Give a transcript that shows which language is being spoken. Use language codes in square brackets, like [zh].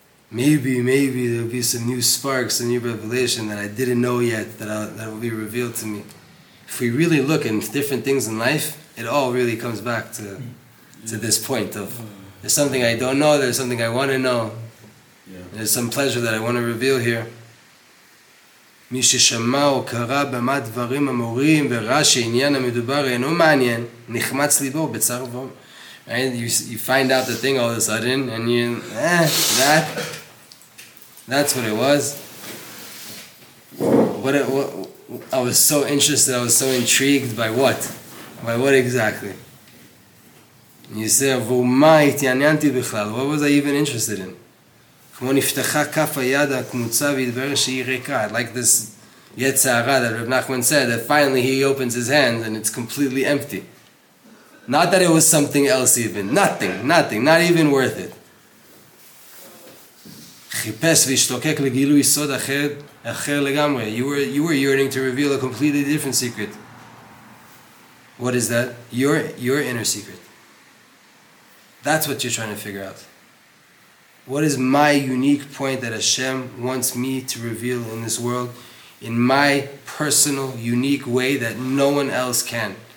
[en] Maybe there'll be some new sparks, a new revelation that I didn't know yet that will be revealed to me. If we really look at different things in life, it all really comes back to this point of there's something I don't know, there's something I want to know. Yeah. There's some pleasure that I want to reveal here. [he] מי ששמע או קרא במה דברים אמורים וראה שעניין המדובר אינו מעניין, נחמץ ליבו בצער ועומר. [en] And you find out the thing all of a sudden, and you, that's what it was. I was so interested, I was so intrigued by what? By what exactly? You say, [he] ומה התעניינתי בכלל? [en] What was I even interested in? [he] כמו נפתחה כף היד הקמוצה והתברר שהיא ריקה. [en] Like this יצערה that Reb Nachman said, that finally he opens his hand and it's completely empty. Not that it was something else even. Nothing. Not even worth it. [he] חיפש והשתוקק לגילוי סוד אחר לגמרי. [en] You were yearning to reveal a completely different secret. What is that? Your inner secret. That's what you're trying to figure out. What is my unique point that Hashem wants me to reveal in this world in my personal, unique way that no one else can?